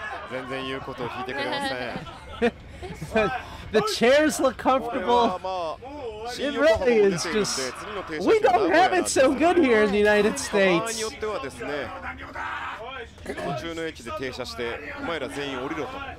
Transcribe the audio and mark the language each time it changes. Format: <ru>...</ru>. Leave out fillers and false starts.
<ja>全然言うことを聞いてくれません。</ja> <en>The chairs look comfortable. It really is just. We don't have it so good here in the United States.</en> <ja>によってはですね、途中の駅で停車してお前ら全員降りろと。</ja>